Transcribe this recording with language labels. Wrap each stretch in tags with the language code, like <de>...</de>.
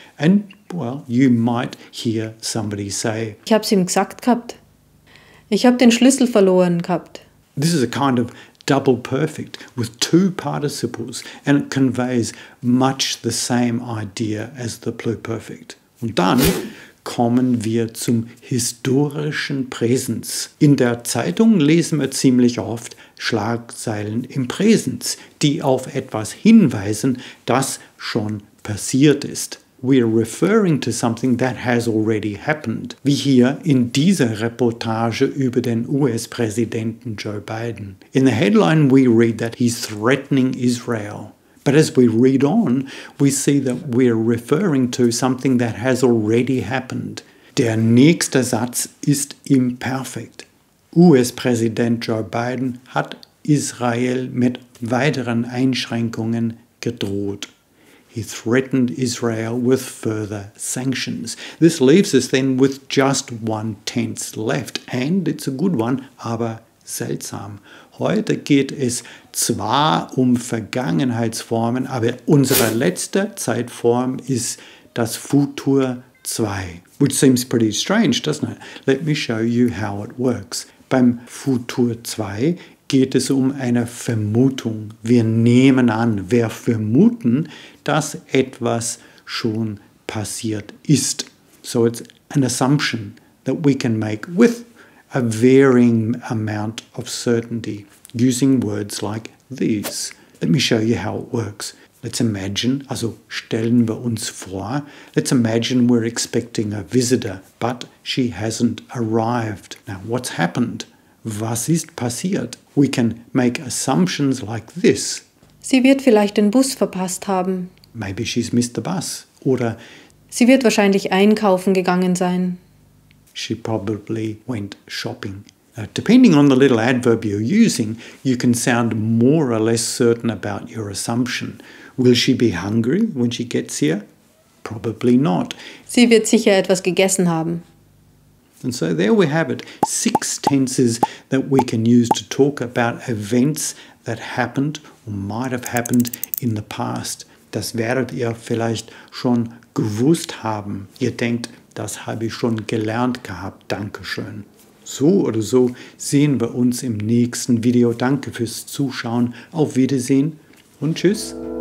<en>And, well, you might hear somebody say,</en> <de>Ich hab's ihm gesagt gehabt. Ich hab den Schlüssel verloren gehabt.</de> <en>This is a kind of double perfect with two participles, and it conveys much the same idea as the pluperfect.</en> <de>Und dann kommen wir zum historischen Präsens. In der Zeitung lesen wir ziemlich oft Schlagzeilen im Präsens, die auf etwas hinweisen, das schon passiert ist.</de> <en>We are referring to something that has already happened,</en> <de>wie hier in dieser Reportage über den US-Präsidenten Joe Biden.</de> <en>In the headline we read that he's threatening Israel. But as we read on, we see that we are referring to something that has already happened.</en> <de>Der nächste Satz ist imperfekt. US-Präsident Joe Biden hat Israel mit weiteren Einschränkungen gedroht.</de> <en>He threatened Israel with further sanctions. This leaves us then with just one tense left, and it's a good one,</en> <de>aber seltsam. Heute geht es zwar um Vergangenheitsformen, aber unsere letzte Zeitform ist das Futur 2.</de> <en>Which seems pretty strange, doesn't it? Let me show you how it works.</en> <de>Beim Futur 2 geht es um eine Vermutung. Wir nehmen an, wir vermuten, dass etwas schon passiert ist.</de> <en>So it's an assumption that we can make with a varying amount of certainty using words like these. Let me show you how it works. Let's imagine,</en> <de>also stellen wir uns vor,</de> <en>let's imagine we're expecting a visitor, but she hasn't arrived. Now, what's happened?</en> <de>Was ist passiert?</de> <en>We can make assumptions like this.</en> <de>Sie wird vielleicht den Bus verpasst haben.</de> <en>Maybe she's missed the bus.</en> <de>Oder sie wird wahrscheinlich einkaufen gegangen sein.</de> <en>She probably went shopping. Now, depending on the little adverb you're using, you can sound more or less certain about your assumption. Will she be hungry when she gets here? Probably not.</en> <de>Sie wird sicher etwas gegessen haben.</de> <en>And so there we have it, 6 tenses that we can use to talk about events that happened or might have happened in the past.</en> <de>Das werdet ihr vielleicht schon gewusst haben. Ihr denkt, das habe ich schon gelernt gehabt. Dankeschön. So oder so sehen wir uns im nächsten Video. Danke fürs Zuschauen. Auf Wiedersehen und tschüss.</de>